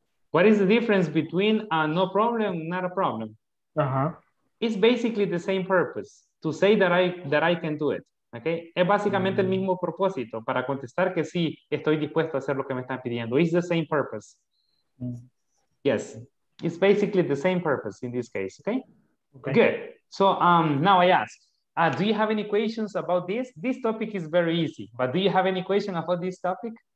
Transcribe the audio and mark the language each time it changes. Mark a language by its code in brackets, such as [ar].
[en] What is the difference between no problem and not a problem? Uh-huh. It's basically the same purpose, to say that I can do it. Okay? [es] Es básicamente el mismo propósito para contestar que sí, estoy dispuesto a hacer lo que me están pidiendo. [en] It's the same purpose. Yes, it's basically the same purpose in this case, okay? Okay. Good. So now I ask, do you have any questions about this? This topic is very easy, but do you have any question about this topic?